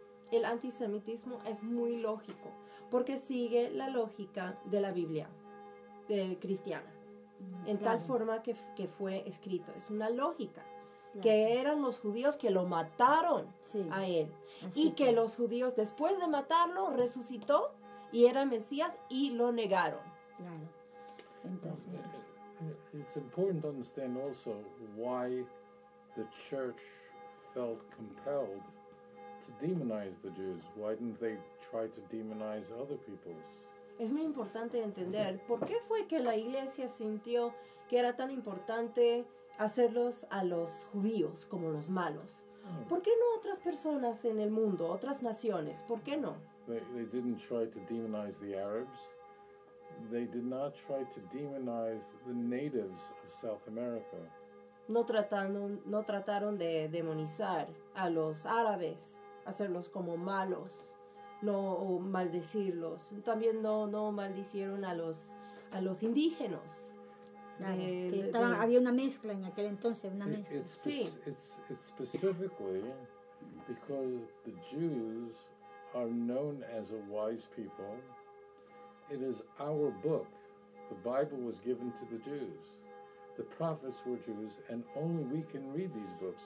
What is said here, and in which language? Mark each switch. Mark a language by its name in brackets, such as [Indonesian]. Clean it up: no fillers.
[Spanish] El antisemitismo es muy lógico porque sigue la lógica de la Biblia cristiana, en tal forma que fue escrito. Es una lógica. Que eran los judíos que lo mataron a él. Y que los judíos, después de matarlo, resucitó y era Mesías y lo negaron. Claro. Entonces. [English] It's important to understand also why the church felt compelled to demonize the Jews. Why didn't they try to demonize other peoples? [Spanish] Es muy importante entender por qué fue que la iglesia sintió que era tan importante hacerlos a los judíos como los malos. ¿Por qué no otras personas en el mundo, otras naciones? ¿Por qué no? [English] They didn't try to demonize the Arabs. They did not try to demonize the natives of South America. [Spanish] No trataron de demonizar a los árabes, hacerlos como malos, no, o maldecirlos. También no maldicieron a los indígenas. Había una mezcla en aquel entonces, una mezcla. [English] It's specifically because the Jews are known as a wise people. It is our book. The Bible was given to the Jews. The prophets were Jews, and only we can read these books.